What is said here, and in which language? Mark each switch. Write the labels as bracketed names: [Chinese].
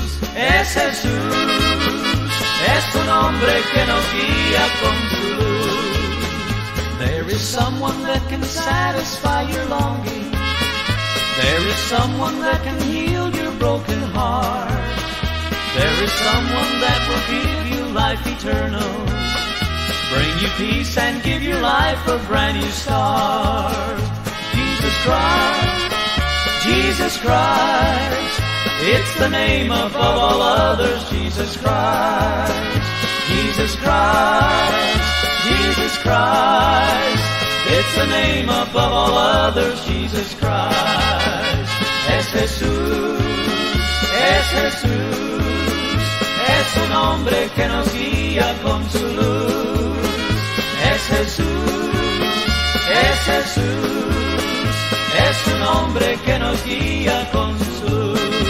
[Spanish] Es Jesús, es un hombre que nos guía con su luz. [English] There is someone that can satisfy your longing. There is someone that can heal your broken heart. There is someone that will give you life eternal, bring you peace and give your life a brand new start. Jesus Christ, Jesus Christ, it's the name above all others, Jesus Christ. Jesus Christ, Jesus Christ, it's the name above all others, Jesus Christ. [Spanish] Es Jesús, es Jesús, es un hombre que nos guía con su luz. Es Jesús, es Jesús, es un hombre que nos guía con su luz.